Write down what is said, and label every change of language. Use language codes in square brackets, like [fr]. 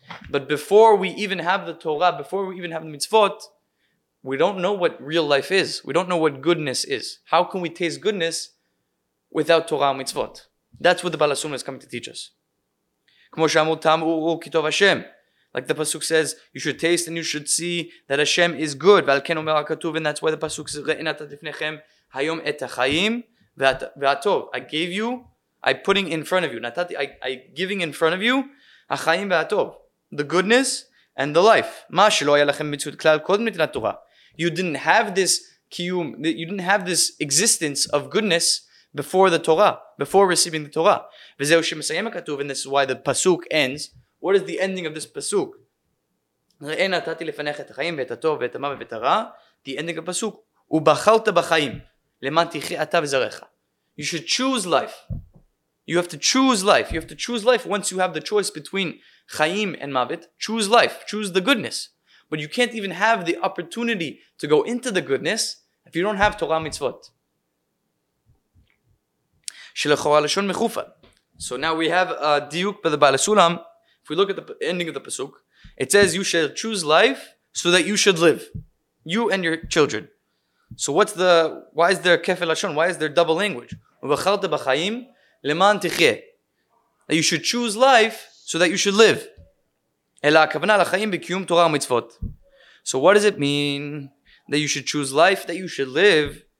[en] But before we even have the Torah, before we even have the mitzvot, we don't know what real life is. We don't know what goodness is. How can we taste goodness without Torah and mitzvot? That's what the Baal HaSulam is coming to teach us. [he] כמו שאמרו טעם וראו כי טוב השם. [en] Like the Pasuk says, you should taste and you should see that Hashem is good. [he] ועל כן אומר הכתוב, [en] and that's why the Pasuk says, [he] ראה נתתי לפניכם היום את החיים והטוב. [en] I gave you, I'm putting in front of you. נתתי, I'm giving in front of you [he] החיים והטוב. [en] The goodness and the life. [he] מה שלא היה לכם מצוות כלל קודם נתינת תורה. [en] You didn't have this קיום, you didn't have this existence of goodness before the Torah, before receiving the Torah. [he] וזהו שמסיים הכתוב, [en] and this is why the Pasuk ends. What is the ending of this Pasuk? [he] ראה נתתי לפניך את החיים ואת הטוב ואת המוות ואת הרע. [en] The ending of the Pasuk. [he] ובחרת בחיים למען תחי אתה וזרעך. [en] You should choose life. You have to choose life. You have to choose life once you have the choice between Chaim and Mavit. Choose life. Choose the goodness. But you can't even have the opportunity to go into the goodness if you don't have Torah mitzvot. Shelechora lashon mechufa. So now we have a diuk by the Baal HaSulam. If we look at the ending of the Pasuk, it says you shall choose life so that you should live. You and your children. So what's the, why is there kefel lashon? Why is there double language? [he] Uvacharta b'chaim leman tichye. [en] That you should choose life so that you should live. [he] אלא הכוונה לחיים בקיום תורה ומצוות. [en] So what does it mean that you should choose life, that you should live?